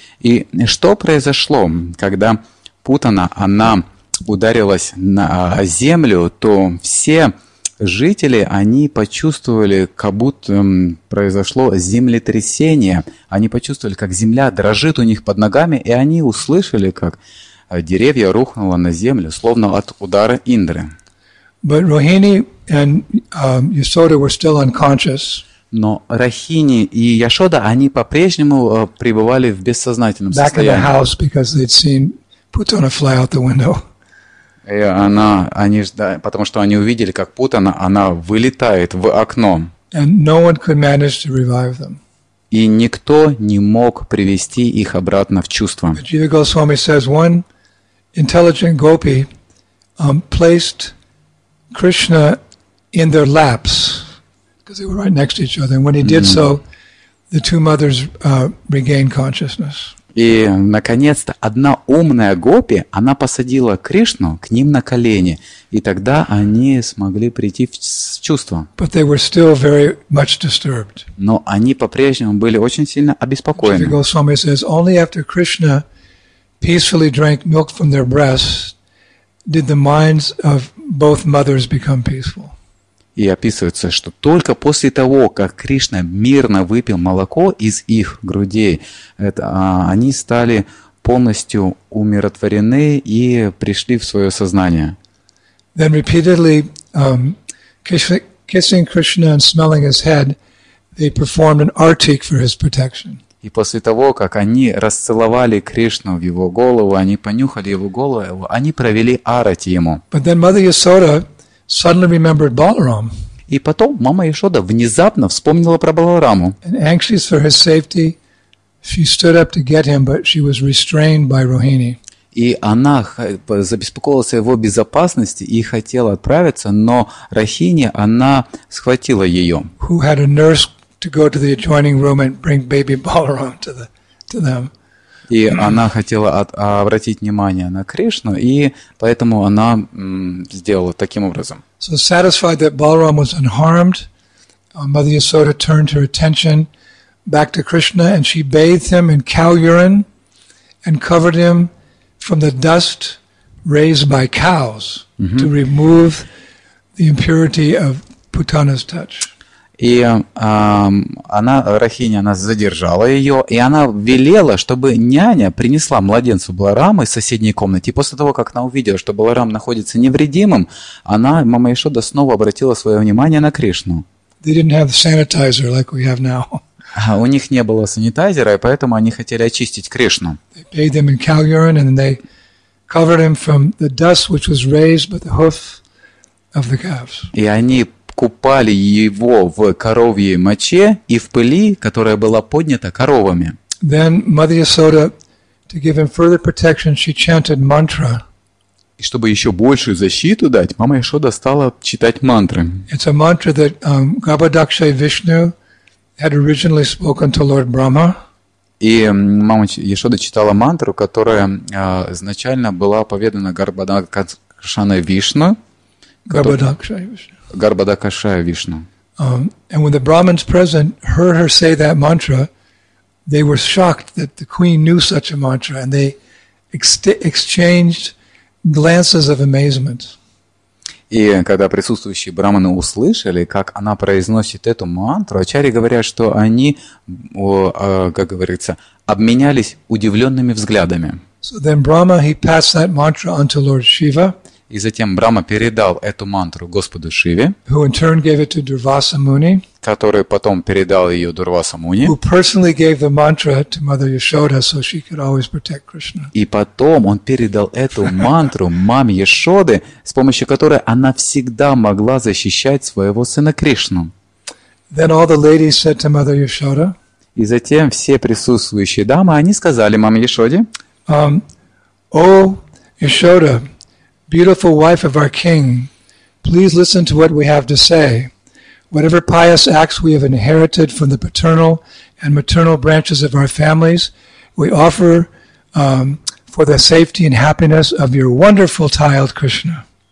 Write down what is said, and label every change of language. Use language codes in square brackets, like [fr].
[ru] И что произошло, когда Путана, она ударилась на землю, то все жители, они почувствовали, как будто произошло землетрясение. Они почувствовали, как земля дрожит у них под ногами, и они услышали, как деревья рухнуло на землю, словно от удара Индры. [en] But Rohini and Yasoda were still unconscious. [ru] Но Рохини и Яшода, они по-прежнему пребывали в бессознательном состоянии. [en] Back in the house because they'd seen Putana fly out the window. [ru] И она, они, да, потому что они увидели, как Путана, она вылетает в окно. [en] And no one could manage to revive them. [ru] И никто не мог привести их обратно в чувство. [en] But Jiva Goswami says one intelligent gopi placed Krishna in their laps because they were right next to each other. And when he did so, the two mothers regained consciousness. [ru] И, наконец-то, одна умная гопи, она посадила Кришну к ним на колени, и тогда они смогли прийти в чувство. [en] But they were still very much disturbed. [ru] Но они по-прежнему были очень сильно обеспокоены. [en] Jiva Goswami says, only after Krishna peacefully drank milk from their breasts did the minds of both mothers become peaceful. [ru] И описывается, что только после того, как Кришна мирно выпил молоко из их грудей, они стали полностью умиротворены и пришли в свое сознание. [en] Then repeatedly kissing Krishna and smelling his head, they performed an artik for his protection. [ru] И после того, как они расцеловали Кришну в его голову, они понюхали его голову, они провели арати ему. [en] But then Mother Yasoda suddenly remembered Balaram. [ru] И потом мама Яшода внезапно вспомнила про Балараму. [en] And anxious for his safety, she stood up to get him, but she was restrained by Rohini. [ru] И она забеспокоилась о его безопасности и хотела отправиться, но Рохини, она схватила ее. [en] Who had a nurse to go to the adjoining room and bring baby Balaram to them. [ru] И она хотела обратить внимание на Кришну, и поэтому она сделала таким образом. [en] So satisfied that Balaram was unharmed, Mother Yasoda turned her attention back to Krishna, and she bathed him in cow urine and covered him from the dust raised by cows to remove the impurity of Putana's touch. [ru] И она, Рохини, она задержала ее, и она велела, чтобы няня принесла младенцу Баларама из соседней комнаты. И после того, как она увидела, что Баларам находится невредимым, она, мама Яшода, снова обратила свое внимание на Кришну. [en] They didn't have the sanitizer like we have now. [ru] У них не было санитайзера, и поэтому они хотели очистить Кришну. [en] They bathed him in cow urine, and they covered him from the dust which was raised by the hoof of the calves. [ru] И они купали его в коровьей моче и в пыли, которая была поднята коровами. [en] Then Mother Yasoda, to give him further protection, she chanted mantra. [ru] И чтобы еще большую защиту дать, мама Яшода стала читать мантры. [en] It's a mantra that Gavadakshay Vishnu had originally spoken to Lord Brahma. [ru] И мама Яшода читала мантру, которая изначально была поведана Гарбадакшана Вишну. Гарбадакшая Вишну. [en] And when the Brahmins present heard her say that mantra, they were shocked that the queen knew such a mantra, and they exchanged glances of amazement. [ru] И когда присутствующие брахманы услышали, как она произносит эту мантру, ачарьи говорят, что они, как говорится, обменялись удивленными взглядами. [en] So then Brahma, he passed that mantra onto Lord Shiva. [ru] И затем Брама передал эту мантру Господу Шиве, [en] who in turn gave it to Durvasa Muni, [ru] который потом передал ее Дурваса Муни, [en] who personally gave the mantra to Mother Yashoda so she could always protect Krishna. [ru] И потом он передал эту мантру маме Яшоды, с помощью которой она всегда могла защищать своего сына Кришну. [en] Then all the ladies said to Mother Yashoda, [ru] и затем все присутствующие дамы, они сказали маме Яшоде, о, [en] Яшода, beautiful wife of our king, please listen to what we have to say. Whatever pious acts we have inherited from the paternal and maternal branches of our families, we offer for the safety and happiness of your wonderful child, Krishna.